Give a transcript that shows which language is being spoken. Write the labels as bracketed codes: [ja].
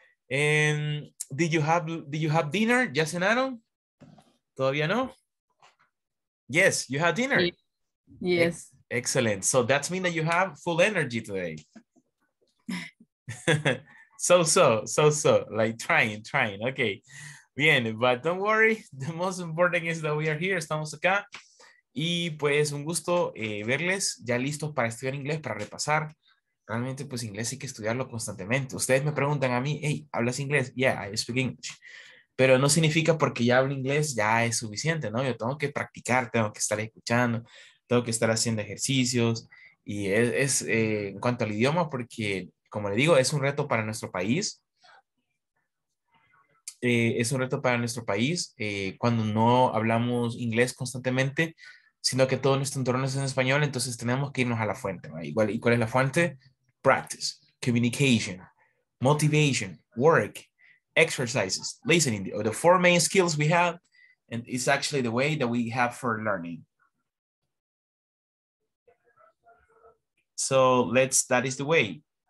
[en] And did you have dinner? [es] ¿Ya cenaron? ¿Todavía no? [en] Yes, you had dinner. Yes. Excellent. So that means that you have full energy today. so, like trying. Okay. Bien, but don't worry. The most important is that we are here. [es] Estamos acá. Y pues un gusto verles ya listos para estudiar inglés, para repasar. Realmente, pues inglés hay que estudiarlo constantemente. Ustedes me preguntan a mí, hey, ¿hablas inglés? [en] Yeah, I speak English. [es] Pero no significa porque ya hablo inglés, ya es suficiente, ¿no? Yo tengo que practicar, tengo que estar escuchando, tengo que estar haciendo ejercicios. Y es en cuanto al idioma, porque, como le digo, es un reto para nuestro país. Cuando no hablamos inglés constantemente, sino que todo nuestro entorno es en español, entonces tenemos que irnos a la fuente, ¿no? Igual, ¿y cuál es la fuente? [en] Practice, communication, motivation, work, exercises, listening, the four main skills we have, and it's actually the way that we have for learning. So that is the way.